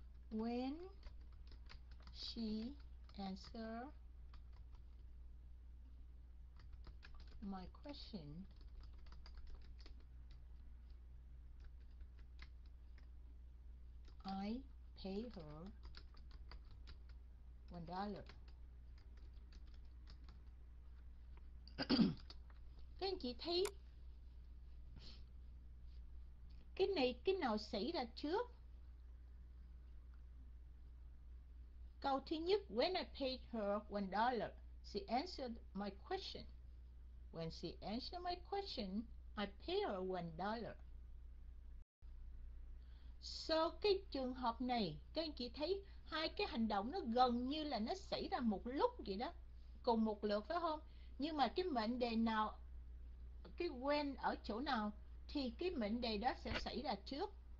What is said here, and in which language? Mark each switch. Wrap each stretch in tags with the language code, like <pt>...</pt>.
<en>When she answer my question, I pay her $1.</en> <vi>Các anh chị thấy cái này cái nào xảy ra trước? Câu thứ nhất,</vi> <en>when I paid her $1, she answered my question. When she answered my question, I paid her $1.</en> <vi>So cái trường hợp này, các anh chị thấy hai cái hành động nó gần như là nó xảy ra một lúc vậy đó, cùng một lượt phải không? Nhưng mà cái mệnh đề nào, cái when ở chỗ nào thì cái mệnh đề đó sẽ xảy ra trước.</vi>